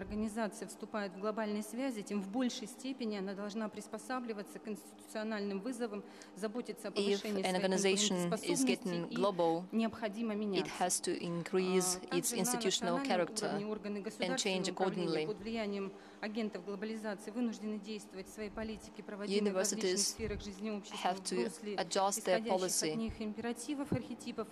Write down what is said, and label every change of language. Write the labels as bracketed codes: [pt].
[ru] Организация вступает в глобальные связи, тем в большей степени она должна приспосабливаться к институциональным вызовам, заботиться о повышении своей конкурентоспособности и необходимо меняться. [en] It has to increase its institutional character and change accordingly. [ru] Агентов глобализации вынуждены действовать в своей политике, проводимой в различных сферах жизни общества, в русле исходящих от них императивов, архетипов.